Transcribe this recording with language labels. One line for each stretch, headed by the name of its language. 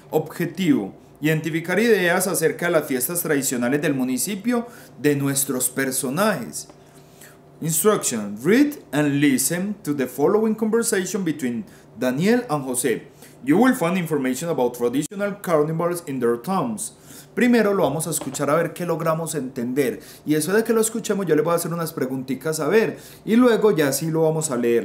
Spanish: Objetivo: identificar ideas acerca de las fiestas tradicionales del municipio de nuestros personajes.
English: Instruction: read and listen to the following conversation between Daniel and José. You will find information about traditional carnivals in their towns.
Spanish: Primero lo vamos a escuchar a ver qué logramos entender. Y eso de que lo escuchemos, yo le voy a hacer unas preguntitas a ver. Y luego ya sí lo vamos a leer.